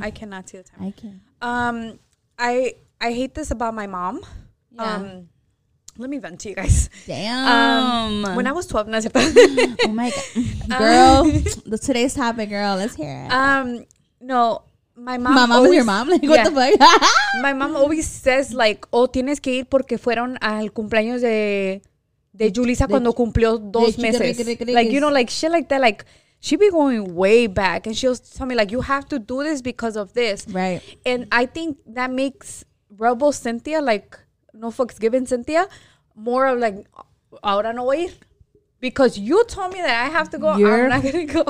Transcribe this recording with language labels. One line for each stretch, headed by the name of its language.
English: I cannot see the time. I can. I hate this about my mom. Yeah. Let me vent to you guys. Damn. When I was 12, no, oh my God. Girl, today's topic, girl, let's hear it. No, my mom was your mom? Like, what the fuck? My mom always says, like, oh,
Spanish: tienes que ir porque fueron al cumpleaños de Julissa cuando cumplió dos meses.
English: Like, you know, like, shit like that. Like, she'd be going way back and she'll tell me, like, you have to do this because of this. Right. And I think that makes Rebel Cynthia, like, no fucks given, Cynthia, more of like,
Spanish: ahora no voy a ir.
English: Because you told me that I have to go, I'm not gonna go.